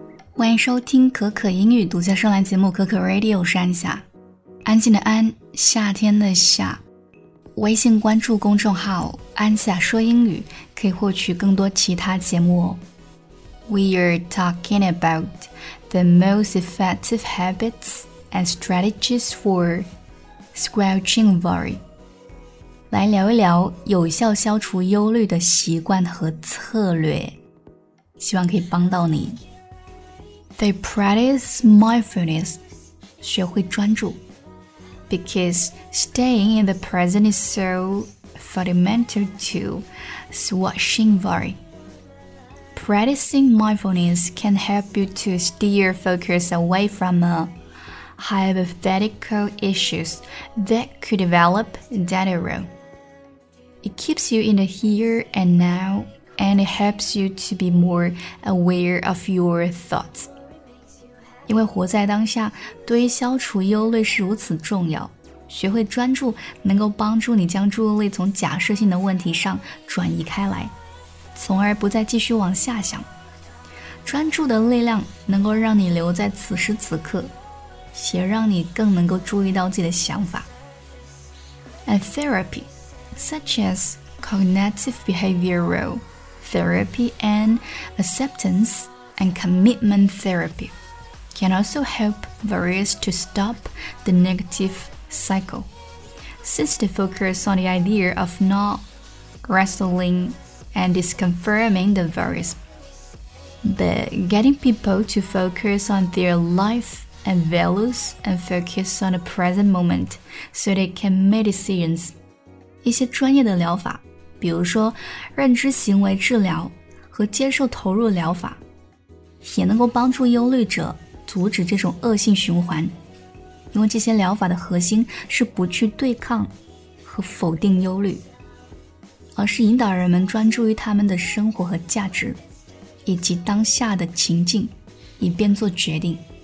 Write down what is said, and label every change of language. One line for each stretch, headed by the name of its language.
Chinese: 欢迎收听可可英语独家专栏节目可可 Radio， 是安夏，安静的安，夏天的夏。微信关注公众号安夏说英语，可以获取更多其他节目哦。
English: We are talking about the most effective habits and strategies for squelching worry.
Chinese: 来聊一聊有效消除忧虑的习惯和策略，希望可以帮到你。
English: They practice mindfulness,
Chinese: 学会专注。
English: Because staying in the present is so fundamental to squashing worry. Practicing mindfulness can help you to steer focus away from a hypothetical issues that could develop down the road. It keeps you in the here and now, and it helps you to be more aware of your thoughts.
Chinese: 因为活在当下对于消除忧虑是如此重要，学会专注能够帮助你将注意力从假设性的问题上转移开来，从而不再继续往下想。专注的力量能够让你留在此时此刻，也让你更能够注意到自己的想法。
English: And therapy such as cognitive behavioral therapy and acceptance and commitment therapycan also help worries to stop the negative cycle. Since they focus on the idea of not wrestling and disconfirming the worries, but getting people to focus on their life and values and focus on the present moment so they can make decisions.
Chinese: 一些专业的疗法，比如说认知行为治疗和接受投入疗法，也能够帮助忧虑者阻止这种恶性循环，因为这些疗法的核心是不去对抗和否定忧虑，而是引导人们专注于他们的生活和价值，以及当下的情境，以便做决定。